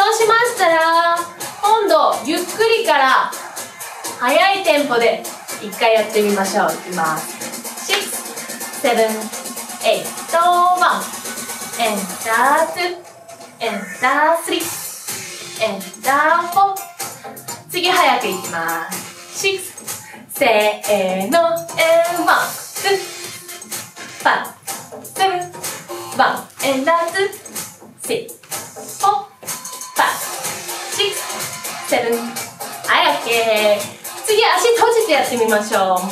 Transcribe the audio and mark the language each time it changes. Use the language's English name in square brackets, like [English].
[Japanese] そうしましたら、今度ゆっくりから速いテンポで一回やってみましょう。いきます。 [English] Six, seven, eight, one, and a two, and a three, and a four. [Japanese] 次速くいきます。 [English] Six, [Japanese] せーの [English] and one, two, five, seven, one, and a two, six, four, five, six, seven. [Japanese] はい、 OK。次、足閉じてやってみましょう。